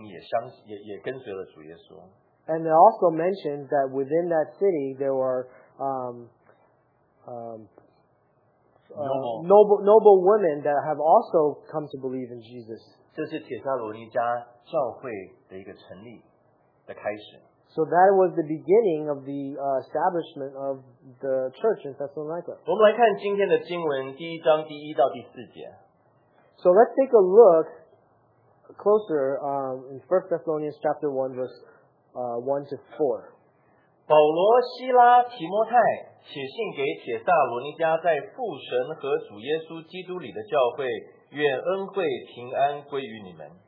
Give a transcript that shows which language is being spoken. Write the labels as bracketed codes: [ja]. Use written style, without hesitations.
[zh] 然后特别提到了在城里面有一群妇女是有很有身份的妇女也接受了福音也跟随了主耶稣。 [en] And they also mentioned that within that city there were noble women that have also come to believe in Jesus. [zh] 这是帖撒罗尼迦教会的一个成立的开始。 [en] So that was the beginning of the establishment of the church in Thessalonica. [zh] 我们来看今天的经文，第一章第一到第四节。 [en] So let's take a look closer in 1 Thessalonians chapter 1 verse 1 to 4. [zh] 保罗、希拉、提摩太写信给帖撒罗尼迦在父神和主耶稣基督里的教会，愿恩惠平安归于你们。